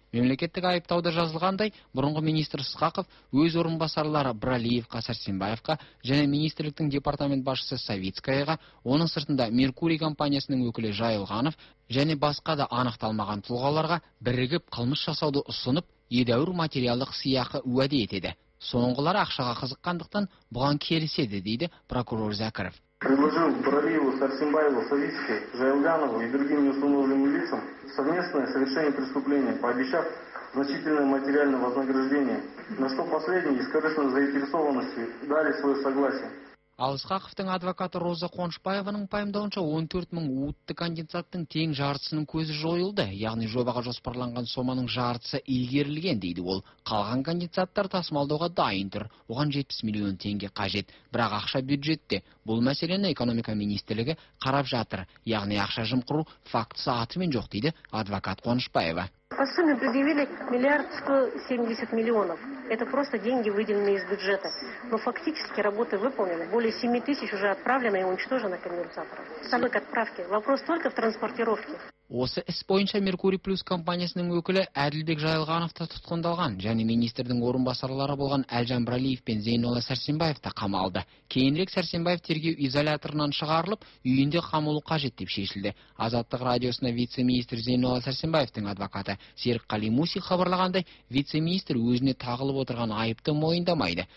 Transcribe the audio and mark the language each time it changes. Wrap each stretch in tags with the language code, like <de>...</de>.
<kk>Мемлекеттік айыптауда жазылғандай, бұрынғы министр Сықақов өз орынбасарлары Бралиевқа, Сәрсенбаевқа және министрліктің департамент басшысы Савицкаяға, оның сыртында Меркурий компаниясының өкілі Жайылғанов және басқа да анықталмаған тұлғаларға бірігіп қылмыс жасауды ұсынып, едәуір материалдық сыйақы уәде етеді. Соңғылары ақшаға қызыққандықтан бұған келіседі, дейді прокурор Зәкіров.</kk> <ru>Предложил Бралиеву, Сарсенбаеву, Савицкой, Жайлганову и другим неустановленным лицам совместное совершение преступления, пообещав значительное материальное вознаграждение, на что последние из корыстной заинтересованности дали свое согласие.</ru> <kk>Ал Ысқақовтың адвокаты Роза Қоншбаеваның пайымдауынша 14 мың уытты конденсаттың тең жартысының көзі жойылды, яғни жобаға жоспарланған соманың жартысы игерілген дейді ол. Қалған конденсаттар тасымалдауға дайын тұр, оған 70 миллион теңге қажет, бірақ ақша бюджетте. Бұл мәселені экономика министрлігі қарап жатыр, яғни ақша жымқыру фактісі атымен жоқ дейді адвокат Қоншбаева.</kk> <ru>По сумме предъявили 1 170 000 000. Это просто деньги, выделенные из бюджета. Но фактически работы выполнены. Более 7 000 уже отправлено и уничтожено конденсаторов. Сами к отправке. Вопрос только в транспортировке.</ru> <kk>Осы іс бойынша Меркурий Плюс компаниясының өкілі Әділбек Жайылғанов та тұтқындалған, және министрдің орынбасарлары болған Әлжан Бралиев пен Зейнолла Сәрсенбаев та қамалды. Кейінірек Сәрсенбаев тергеу изоляторынан шығарылып, үйінде қамалу қажет деп шешілді. Азаттық радиосына вице-министр Зейнолла Сәрсенбаевтің адвокаты Серік Қалимуси хабарлағандай, вице-министр өзіне тағылып отырған айыпты мойындамайды.</kk>